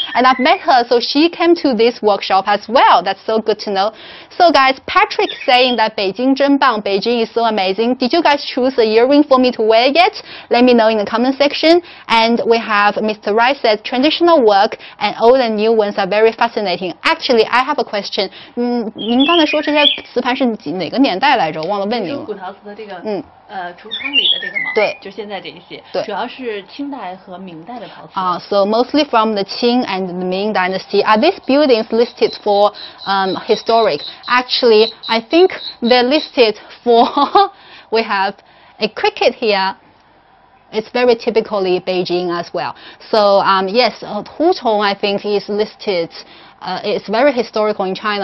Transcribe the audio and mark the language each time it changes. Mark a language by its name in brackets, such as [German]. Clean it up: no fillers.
[English] And I've met her, so she came to this workshop as well. That's so good to know. So guys, Patrick saying that Beijing [Chinese] 真棒, [English] Beijing is so amazing. Did you guys choose a earring for me to wear yet? Let me know in the comment section. And we have Mr. Rice said traditional work and old and new ones are very fascinating. Actually, I have a question. [Chinese] 您刚才说这些瓷盘是几哪个年代来着？忘了问您了。古陶瓷的这个橱窗里的这个吗？对，就现在这一些。对，主要是清代和明代的陶瓷。 [English] So mostly from the Qing and the Ming dynasty. Are these buildings listed for historic? Actually, I think they're listed for. We have a cricket here. It's very typically Beijing as well. So, yes, Hutong, I think, is listed. It's very historical in China.